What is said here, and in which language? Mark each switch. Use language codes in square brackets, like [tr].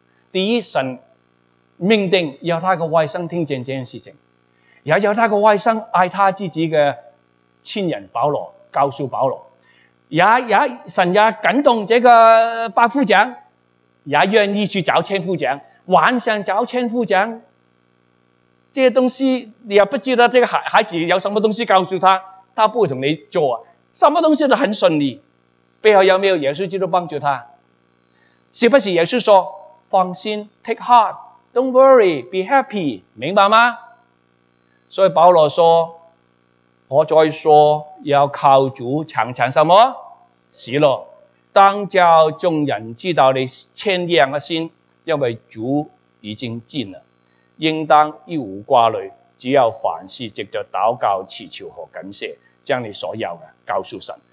[zh] 第一，神命定要他的外甥听见这件事情，也要他的外甥爱他自己的亲人保罗，告诉保罗，也神也感动这个百夫长，也愿意去找千夫长，晚上找千夫长，这些东西你也不知道这个孩子有什么东西告诉他，他不会同你做，什么东西都很顺利，背后有没有耶稣基督帮助他？是不是耶稣说放心 ， [en] take heart。 Don't worry, be happy, [zh] 明白吗？所以保罗说，我再说要靠主常常什么喜乐，当叫众人知道你谦让的心，因为主已经尽了。应当一无挂虑，只要凡事藉着祷告、祈求和感谢，将你所有的告诉神。